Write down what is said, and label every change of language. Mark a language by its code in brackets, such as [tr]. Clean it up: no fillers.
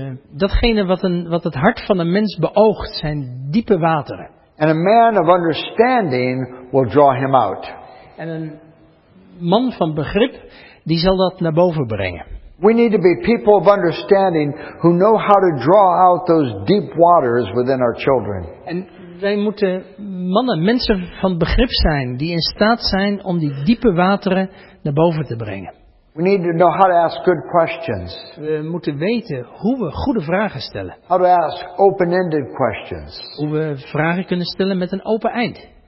[nl] Datgene wat het hart van een mens beoogt zijn diepe wateren. [en] And a man of understanding will draw him out. [nl] En een man van begrip die zal dat naar boven brengen. [en] We need to be people of understanding who know how to draw out those deep waters within our children. [nl] En wij moeten mannen, mensen van begrip zijn die in staat zijn om die diepe wateren naar boven te brengen. [en] We need to know how to ask good questions. [nl] We moeten weten hoe we goede vragen stellen. [en] How to ask open-ended questions. [nl] Hoe we vragen kunnen stellen met een open eind.